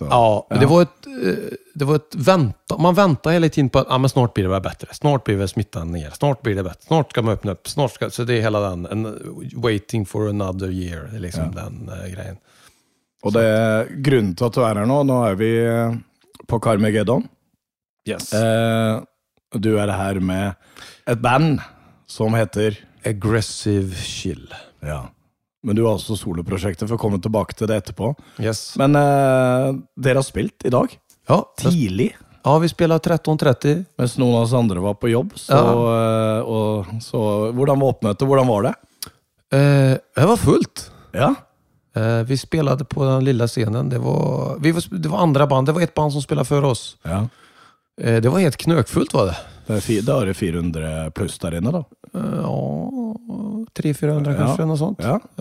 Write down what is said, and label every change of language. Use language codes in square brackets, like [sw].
[sv] och, ja men det var ett vänta man väntar hela tiden på att men snart blir det bättre snart blir det smittan ner snart blir det bättre snart ska man öppna upp snart ska så det är hela den en [en] waiting for another year [sv] liksom den grejen och det är grunden till att du är här nu är vi på Carmageddon [en] yes [sv] Du är här med ett band som heter [en] Aggressive Chill. [sv] Ja. [no] Men du har også soloprosjektet, for å komme tilbake til det etterpå. [en] Yes. [no] Men dere har spilt i dag. Ja. Tidlig. [sv] Ja, vi spelade 13.30. [no] Mens noen av oss andre var på jobb. Så, ja. Og, så hvordan var oppmøtet? Hvordan var det? [sv] Det var fullt. Ja. Vi spelade på den lilla scenen. Det var andra band. Det var ett band som spelade för oss. Ja. Det var helt knökfullt var det. Då är det 400 plus där inne då. Ja, 300-400 kanske något sånt. Ja.